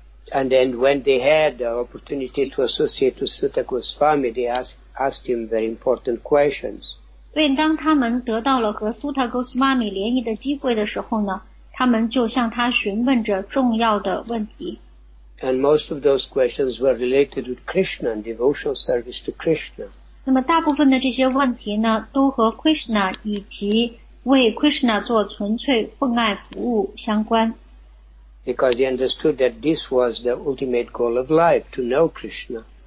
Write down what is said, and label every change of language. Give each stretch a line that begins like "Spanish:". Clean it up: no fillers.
English: And then when they had the opportunity to associate with Sutta Goswami, they asked him very important questions.
Chinese: 所以当他们得到了和苏塔戈斯玛米联谊的机会的时候呢，他们就向他询问着重要的问题。
English: And most of those questions were related with Krishna and devotional service to Krishna.
Chinese: 那么大部分的这些问题呢，都和Krishna以及为Krishna做纯粹奉爱服务相关。
English: Because he understood that this was the ultimate goal of life, to know Krishna.